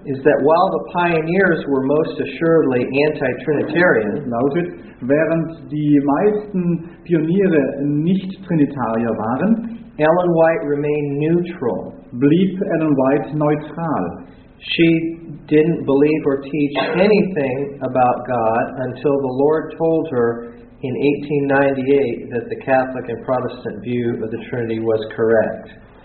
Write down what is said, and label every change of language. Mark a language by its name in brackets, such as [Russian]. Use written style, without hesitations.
[English] is that while the pioneers were most assuredly anti-Trinitarian, [German] lautet, während die meisten Pioniere nicht-Trinitarier waren, [English] Ellen White remained neutral. [German] Blieb Ellen White neutral. [English] She didn't believe or teach anything about God until the Lord told her in 1898 that the Catholic and Protestant view of the Trinity was correct.